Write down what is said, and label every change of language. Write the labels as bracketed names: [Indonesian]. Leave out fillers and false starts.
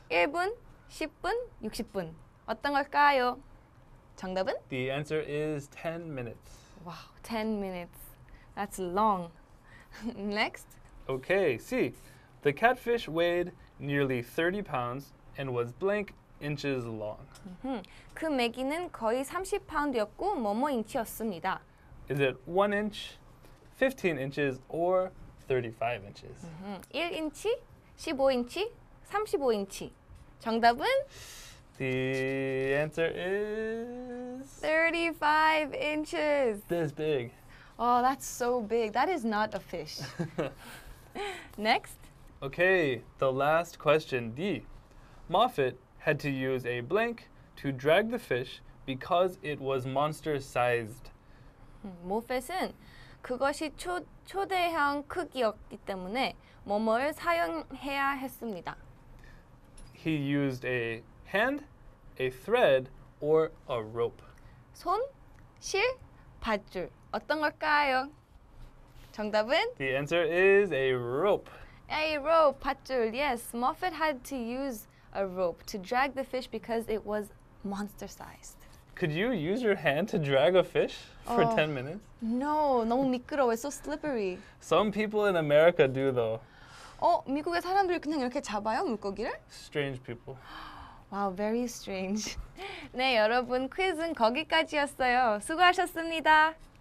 [Korean] 1분, 10분, 60분. 어떤 걸까요? 정답은? [English] The answer is 10 minutes. Wow, 10 minutes. That's long. Next. Okay, C. The catfish weighed nearly 30 pounds and was blank inches long. [Korean] 그 메기는 거의 30파운드였고 뭐뭐 인치였습니다. [English] Is it 1 inch, 15 inches or 35 inches? [Korean] 1인치, 15인치, 35인치. 정답은? [English] The answer is 35 inches. This big. Oh, that's so big. That is not a fish. Next. Okay, the last question, D. Moffat had to use a blank to drag the fish because it was monster-sized. [Korean] Moffat은 그것이 초대형 크기였기 때문에 뭐뭐를 사용해야 했습니다. [English] He used a hand, a thread, or a rope. [Korean] 손, 실, 밧줄. 어떤 걸까요? 정답은? [English] The answer is a rope. A rope, 밧줄. Yes, Moffat had to use a rope to drag the fish because it was monster-sized. Could you use your hand to drag a fish for 10 minutes? No, [Korean] 너무 미끄러워. [English] It's so slippery. Some people in America do, though. [Korean] 미국의 사람들 그냥 이렇게 잡아요, 물고기를? [English] Strange people. Wow, very strange. [Korean] 네, 여러분, 퀴즈는 거기까지였어요. 수고하셨습니다.